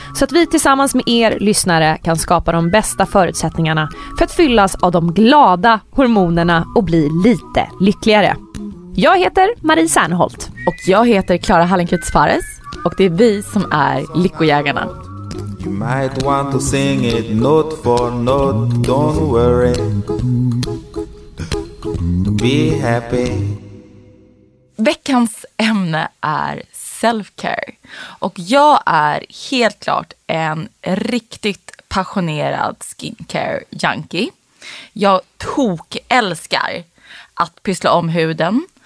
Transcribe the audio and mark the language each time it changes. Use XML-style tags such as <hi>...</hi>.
<sv>Så att vi tillsammans med er lyssnare kan skapa de bästa förutsättningarna för att fyllas av de glada hormonerna och bli lite lyckligare. Jag heter Marie Serneholt. Och jag heter Klara Hallenkrutz-Fares. Och det är vi som är Lyckojägarna.</sv> <en>You might want to sing it note for note, don't worry, be happy.</en> <sv>Veckans ämne är self-care. Och jag är helt klart en riktigt passionerad skincare junkie. Jag tok älskar att pyssla om huden.</sv>